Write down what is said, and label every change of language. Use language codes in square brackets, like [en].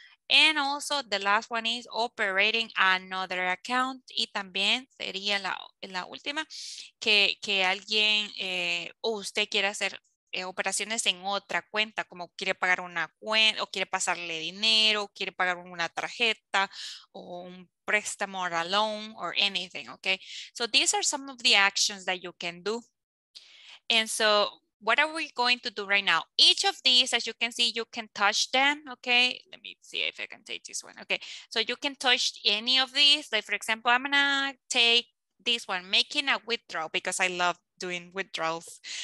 [en] And also the last one is operating another account. [es] Y también sería la última, que alguien o usted quiera hacer operaciones en otra cuenta, como quiere pagar una cuenta, o quiere pasarle dinero, quiere pagar una tarjeta, o un préstamo, [en] or a loan, or anything, okay? So these are some of the actions that you can do. And so what are we going to do right now? Each of these, as you can see, you can touch them, okay? Let me see if I can take this one, okay? So you can touch any of these. Like, for example, I'm gonna take this one, making a withdrawal, because I love doing withdrawals.